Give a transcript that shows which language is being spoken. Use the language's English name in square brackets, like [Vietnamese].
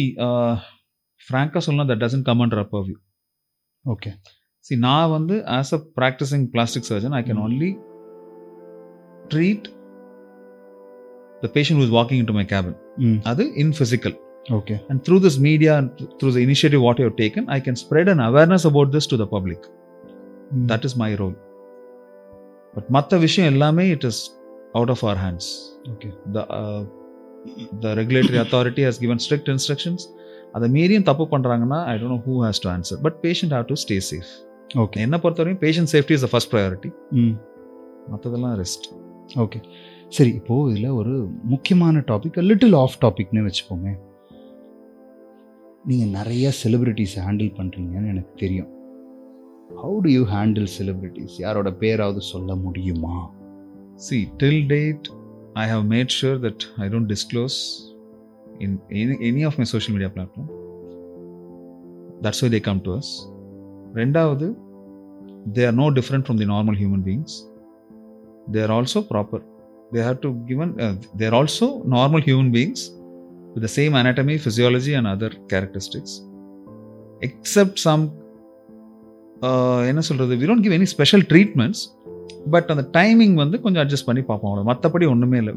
[English] சி, [Tamil] ஃப்ராங்கா சொல்லலாம், [English] That doesn't come under above you. Okay. See, now when the as a practicing plastic surgeon, I can only treat the patient who is walking into my cabin. That is in physical. Okay. And through this media and through the initiative what you have taken, I can spread an awareness about this to the public. That is my role. But [Tamil] matha vishayam ellame, [English] it is out of our hands. Okay. The regulatory authority has given strict instructions. [Tamil] Adha meeriyum thappu pandranga, [English] I don't know who has to answer, but patient have to stay safe. Okay. [Tamil] என்ன பொறுத்தவரையும் [English] Patient safety is the first priority. [Tamil] மற்றதெல்லாம் rest. [English] Okay. [Tamil] சரி, இப்போது இதில் ஒரு முக்கியமான topic, little of டாபிக்னு வச்சுக்கோமே. நீங்கள் நிறைய செலிபிரிட்டிஸை ஹேண்டில் பண்ணுறீங்கன்னு எனக்கு தெரியும். [English] How do you handle celebrities? [Tamil] யாரோட பேராவது சொல்ல முடியுமா? [English] See, till date I have made sure that I don't disclose in any of my social media platform. That's why they come to us. [Tamil] ரெண்டாவது, [English] They are no different from the normal human beings. they are also proper. They have to given, they are also normal human beings with the same anatomy, physiology and other characteristics. Except some, we don't give any special treatments, but on the timing, we can adjust the timing.